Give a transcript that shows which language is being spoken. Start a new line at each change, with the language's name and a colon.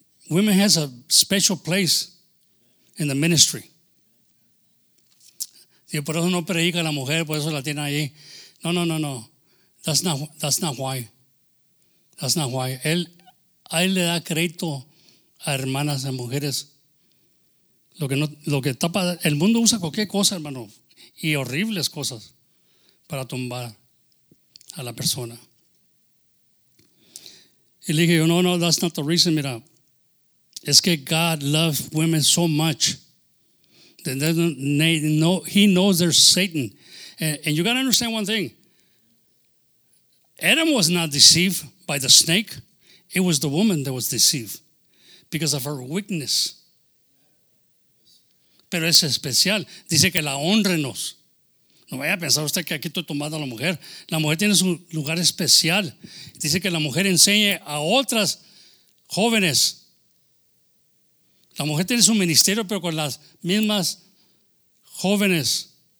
English: Women has a special place in the ministry.
Spanish: Dijo, por eso no predica la mujer, por eso la tiene ahí. No.
English: That's not why.
Spanish: A él le da crédito a hermanas, a mujeres. Lo que tapa, el mundo usa cualquier cosa, hermano, y horribles cosas para tumbar a la persona. Y le dije, no,
English: that's not the reason,
Spanish: mira. Es que
English: God loves women so much. He knows there's Satan. And you got to understand one thing. Adam was not deceived by the snake. It was the woman that was deceived because of her weakness.
Spanish: Pero es especial. Dice que la honrenos. No vaya a pensar usted que aquí estoy tomando a la mujer. La mujer tiene su lugar especial. Dice que la mujer enseñe a otras jóvenes. La mujer tiene su ministerio, pero con las mismas jóvenes.